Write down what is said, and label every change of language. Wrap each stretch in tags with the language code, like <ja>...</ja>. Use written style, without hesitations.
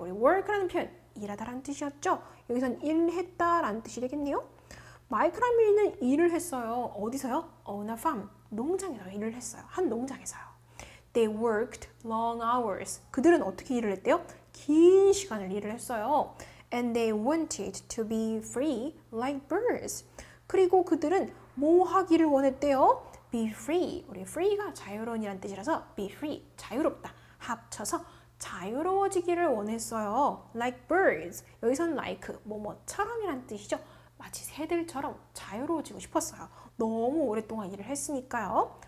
<ko>우리 work라는 표현, 일하다라는 뜻이었죠. 여기선 일했다라는 뜻이 되겠네요. 마이크랑 밀리는 일을 했어요. 어디서요?</ko> <en>On a farm.</en> <ko>농장에서 일을 했어요. 한 농장에서요.</ko> <en>They worked long hours.</en> <ko>그들은 어떻게 일을 했대요? 긴 시간을 일을 했어요.</ko> <en>And they wanted to be free like birds.</en> <ko>그리고 그들은 뭐 하기를 원했대요? Be free. 우리 free가 자유로운이란 뜻이라서 be free, 자유롭다. 합쳐서 자유로워지기를 원했어요.</ko> <en>Like birds.</en> <ko>여기선 like, 뭐뭐처럼이란 뜻이죠. 마치 새들처럼 자유로워지고 싶었어요. 너무 오랫동안 일을 했으니까요.</ko>